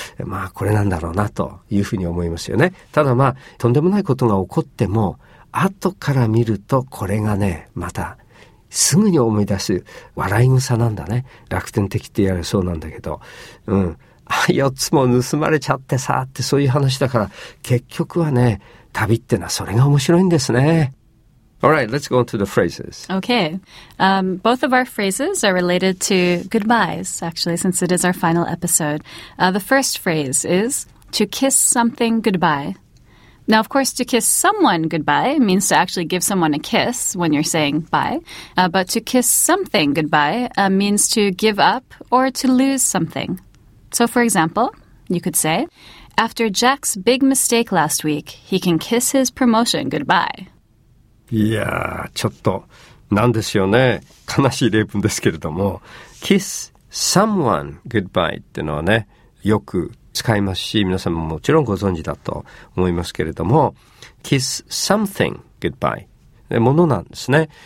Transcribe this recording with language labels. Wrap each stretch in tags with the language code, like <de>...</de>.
<ja>まあこれなんだろうなというふうに思いますよね。ただまあとんでもないことが起こっても、後から見るとこれがね、またすぐに思い出す笑い草なんだね。楽天的って言われそうなんだけど、うん、4つも盗まれちゃってさって、そういう話だから、結局はね、旅ってのはそれが面白いんですね。</ja> <en>All right, let's go on to the phrases. Okay. Both of our phrases are related to goodbyes, actually, since it is our final episode. The first phrase is to kiss something goodbye. Now, of course, to kiss someone goodbye means to actually give someone a kiss when you're saying bye. But to kiss something goodbye means to give up or to lose something. So, for example, you could say, after Jack's big mistake last week, he can kiss his promotion goodbye.</en> <ja>いやー、ちょっと、なんですよね。悲しい例文ですけれども、</ja> <en>kiss someone goodbye</en> <ja>っていうのはね、よく使いますし、皆さんももちろんご存知だと思いますけれども、</ja> <en>kiss something goodbye、</en> <ja>ものなんですね。</ja>